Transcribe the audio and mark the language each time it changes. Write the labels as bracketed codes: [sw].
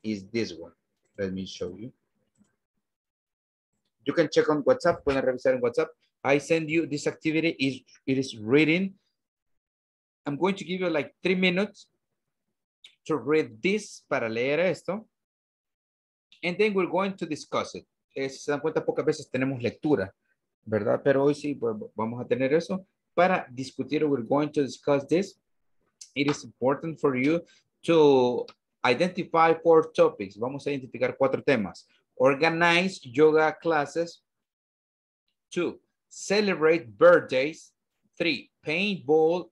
[en] Is this one. Let me show you. You can check on WhatsApp. [es] Pueden revisar en WhatsApp. [en] I send you this activity. It is reading. I'm going to give you like 3 minutes to read this [es] para leer esto. [en] And then we're going to discuss it. [es] Si se dan cuenta, pocas veces tenemos lectura, ¿verdad? Pero hoy sí, pues, vamos a tener eso. Para discutir, [en] we're going to discuss this. It is important for you to identify 4 topics. [es] Vamos a identificar 4 temas. [en] Organize yoga classes. 2, celebrate birthdays. 3, paintball.